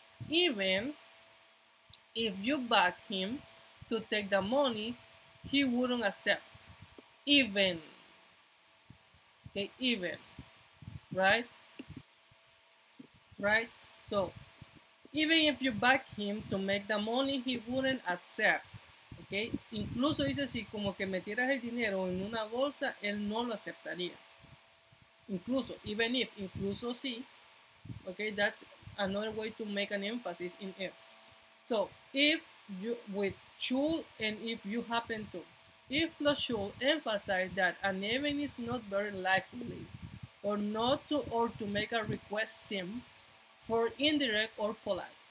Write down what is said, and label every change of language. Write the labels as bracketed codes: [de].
[en] Even if you bug him to take the money, he wouldn't accept. Even. Okay, even. Right? Right? So, even if you back him to make the money, he wouldn't accept. Okay? [es] Incluso dice si como que metieras el dinero en una bolsa, él no lo aceptaría. Incluso, [en] even if, [es] incluso si. [en] Okay, that's another way to make an emphasis in if. So, if you, with should and if you happen to. If plus should emphasize that an event is not very likely or not to, or to make a request seem for indirect or polite.